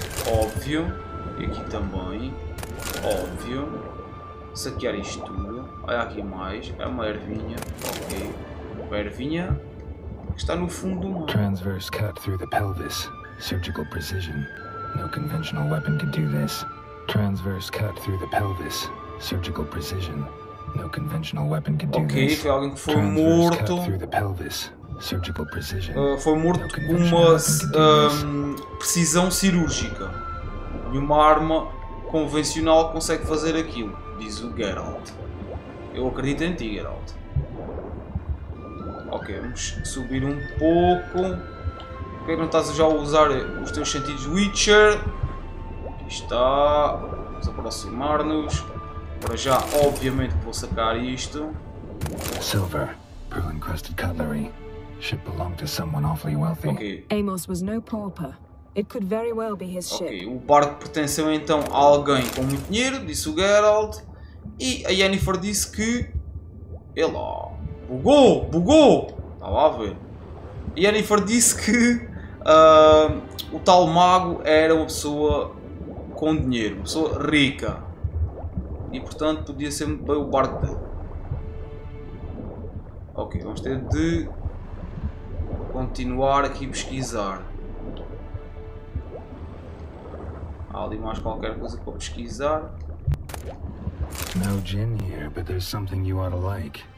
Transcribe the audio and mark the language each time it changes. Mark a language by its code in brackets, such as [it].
[pt] Óbvio. E aqui também. Óbvio. Saquear isto tudo. Olha aqui mais, é uma ervinha, ok. Uma ervinha que está no fundo do mar. [en] Transverse cut through the pelvis. Surgical precision. No conventional weapon can do this. Transverse cut through the pelvis. Surgical precision. No conventional weapon can do this. [pt] Ok, foi alguém que foi morto. [en] Surgical precision. [pt] Foi morto com uma precisão cirúrgica. Nenhuma arma convencional consegue fazer aquilo, diz o Geralt. Eu acredito em ti, Geralt. Ok, vamos subir um pouco. Por que não estás já a usar os teus sentidos Witcher? Aqui está. Vamos aproximar-nos. Para já, obviamente, vou sacar isto. [en] Silver, pearl encrusted cutlery. Should belong to someone awfully wealthy. Ok. Amos was no pauper. It could very well be his ship. [pt] Ok, o barco pertenceu então a alguém com muito dinheiro, disse o Geralt. E a Yennefer disse que... Ela... Bugou! Estava a ver. A Yennefer disse que... o tal mago era uma pessoa com dinheiro. Uma pessoa rica. E portanto podia ser bem o barco dele. Ok, vamos ter de... continuar aqui a pesquisar. Há ali mais qualquer coisa para pesquisar. [en] No gin here, but there's something you ought to like.